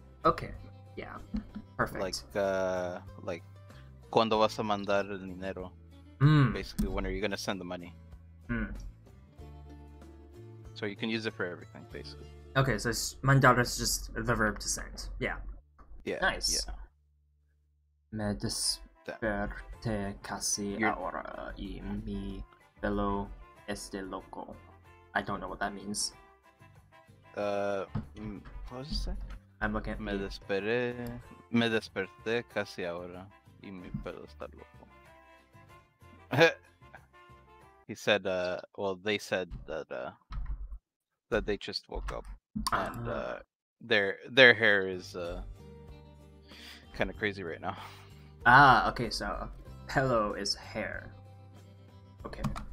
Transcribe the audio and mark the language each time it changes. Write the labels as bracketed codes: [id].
[en] Okay. Yeah. Perfect. [es] Like cuando vas a mandar el dinero? Mm. [en] Basically, when are you gonna send the money? Hmm. So you can use it for everything, basically. Okay, so mandar is just the verb to send. Yeah. Yeah. Nice. Yeah. [es] Me desperté casi ahora y mi velo este loco. [en] I don't know what that means. What was it say? I'm looking at me. [es] Me desperté casi ahora y mi velo está loco. [en] He said, they said that, that they just woke up, and their hair is kind of crazy right now. Ah, okay, so pelo is hair. Okay.